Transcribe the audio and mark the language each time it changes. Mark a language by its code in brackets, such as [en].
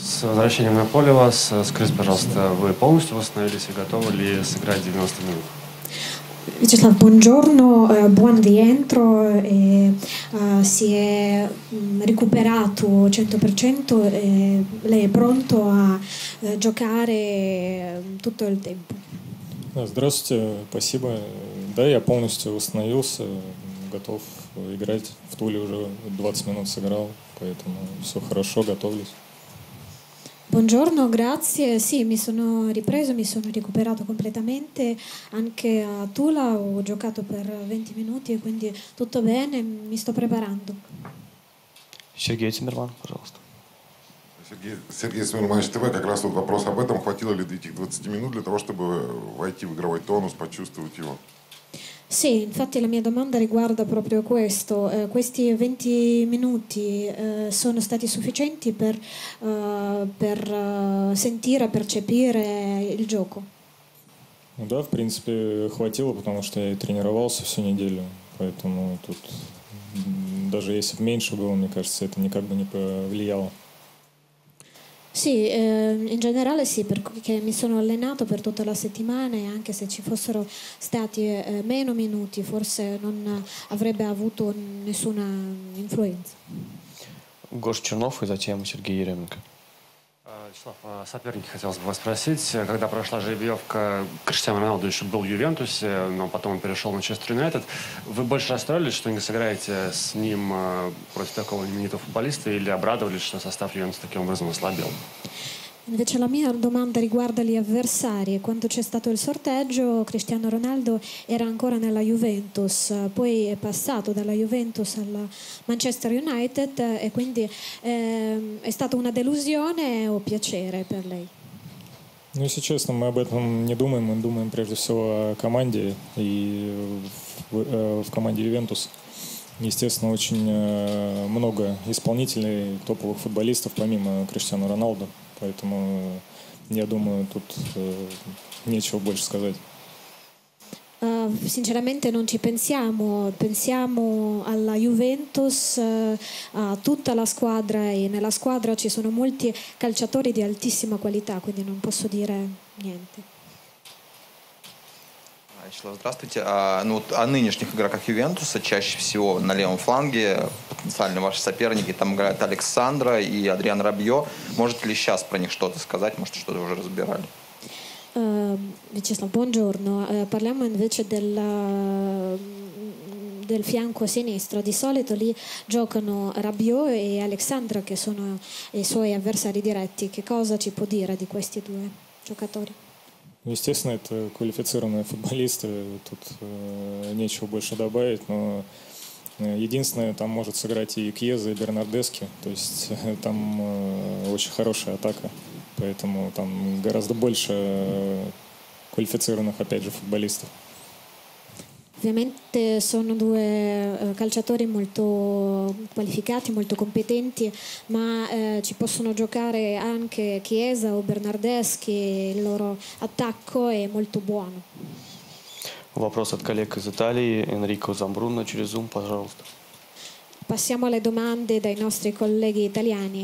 [ru] С возвращением на поле вас. Скажите, пожалуйста, вы полностью восстановились и готовы ли сыграть 90 минут? [it] Вячеслав, buongiorno, buon rientro. Si è recuperato 100%. Lei è pronto a giocare tutto il tempo. [ru] Здравствуйте, спасибо. Да, я полностью восстановился, готов играть. В Туле уже 20 минут сыграл, поэтому все хорошо, готовлюсь. [it] Buongiorno, grazie. Sì, mi sono ripreso, mi sono recuperato completamente. Anche a Tula ho giocato per 20 minuti e quindi tutto bene, mi sto preparando. [ru] Сергей Тимирман, пожалуйста. Сергей Тимирман, ТВ, как раз тут вопрос об этом. Хватило ли этих 20 минут для того, чтобы войти в игровой тонус, почувствовать его? [it] Sì, infatti la mia domanda riguarda proprio questo. Questi 20 minuti sono stati sufficienti per sentire, percepire il gioco? [ru] Ну, да, в принципе, хватило, потому что я тренировался всю неделю, поэтому тут даже если бы меньше было, мне кажется, это никак бы не повлияло. [it] Sì, in generale sì, perché mi sono allenato per tutta la settimana e anche se ci fossero stati meno minuti, forse non avrebbe avuto nessuna influenza. [ru] Гош Чернов и затем Сергей Еременко. Вячеслав, соперники хотелось бы вас спросить, когда прошла жеребьевка, Криштиану Роналду еще был в Ювентусе, но потом он перешел в Манчестер Юнайтед. Вы больше расстроились, что не сыграете с ним против такого именитого футболиста, или обрадовались, что состав Ювентуса таким образом ослабел? [it] Invece la mia domanda riguarda gli avversari. Quando c'è stato il sorteggio, Cristiano Ronaldo era ancora nella Juventus, poi è passato dalla Juventus alla Manchester United e quindi è stata una delusione o piacere per lei? [ru] Ну, если честно, мы об этом не думаем, мы думаем прежде всего о команде и в команде Juventus. Естественно, очень много исполнителей, топовых футболистов помимо Криштиану Роналду. Поэтому я думаю, тут нечего больше сказать. [it] Sinceramente non ci pensiamo, pensiamo alla Juventus, a tutta la squadra e nella squadra ci sono molti calciatori di altissima qualità, quindi non posso dire niente. [ru] Здравствуйте. Ну вот о нынешних игроках Ювентуса чаще всего на левом фланге потенциально ваши соперники там играют Александра и Адриан Рабьо. Можете ли сейчас про них что-то сказать? Может, что-то уже разбирали? [it] Вячеслав, buongiorno. Parliamo invece del fianco sinistro. Di solito lì giocano Rabiot e Alexandra, che sono i suoi avversari diretti. Che cosa ci può dire di questi due giocatori? [ru] Естественно, это квалифицированные футболисты, тут нечего больше добавить, но единственное, там может сыграть и Кьеза, и Бернардески, то есть там очень хорошая атака, поэтому там гораздо больше квалифицированных, опять же, футболистов. [it] Ovviamente sono due calciatori molto qualificati, molto competenti, ma ci possono giocare anche Chiesa o Bernardeschi, il loro attacco è molto buono. [ru] Вопрос от коллег из Италии, Enrico Zambruno, через Zoom, пожалуйста. [it] Passiamo alle domande dai nostri colleghi italiani.